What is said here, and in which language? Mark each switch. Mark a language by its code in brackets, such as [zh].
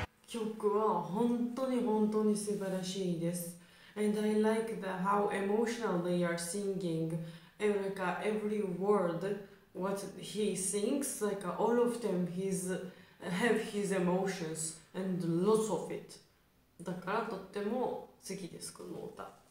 [ja] 本当に本当に素晴らしいです。 [en] And I like the how emotional they are singing. And like every word what he sings, like all of them he's have his emotions and lots of it. [ja] だからとっても好きです、この歌。